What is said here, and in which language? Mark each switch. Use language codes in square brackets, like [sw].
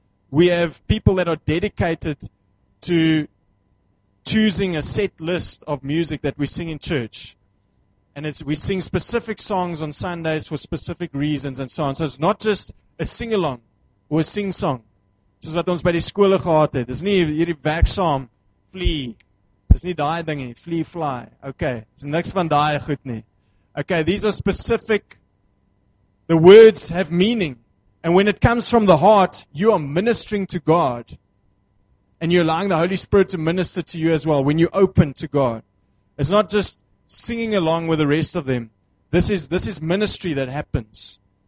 [en] We have people that are dedicated to choosing a set list of music that we sing in church. And we sing specific songs on Sundays for specific reasons and so on. So it's not just a sing-along or a sing-song. [af] Soos wat ons by die skole gehad het. Dis nie hierdie werksaam, flee. Dis nie die ding nie, flee, fly. Okay, dis niks van die goed nie. [en] Okay, these are specific. The words have meaning. And when it comes from the heart, you are ministering to God. And you're allowing the Holy Spirit to minister to you as well when you open to God. It's not just singing along with the rest of them. This is ministry that happens.